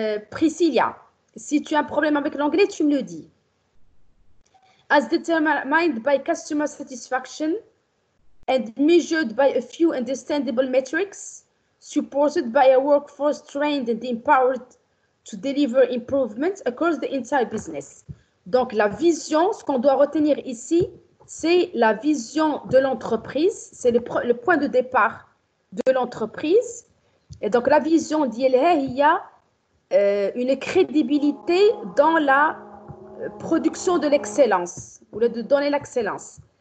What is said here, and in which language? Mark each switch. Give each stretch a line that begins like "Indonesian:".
French: Priscilla, si tu as un problème avec l'anglais, tu me le dis.
English: As determined by customer satisfaction, and measured by a few understandable metrics, supported by a workforce trained and empowered to deliver improvements across the entire business.
French: Donc la vision, ce qu'on doit retenir ici, c'est la vision de l'entreprise, c'est le point de départ de l'entreprise. Et donc la vision dit, il y a une crédibilité dans la production de l'excellence, ou de donner l'excellence.